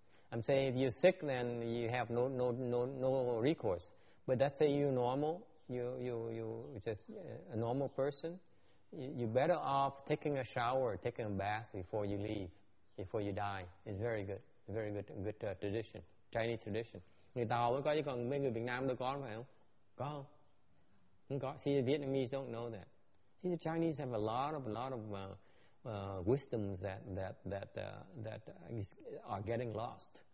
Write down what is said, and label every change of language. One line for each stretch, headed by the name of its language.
English: I'm saying if you're sick then you have no recourse, but let's say you're normal, you just a normal person, you better off taking a shower, taking a bath before you leave, before you die. It's very good, very good, good tradition, Chinese tradition.
Vietnamese: Người Tàu mới có, chứ còn mấy người Việt Nam đâu có, phải không? Có không? Không có.
English: See, the Vietnamese don't know that. See, the Chinese have a lot of wisdoms that are getting lost.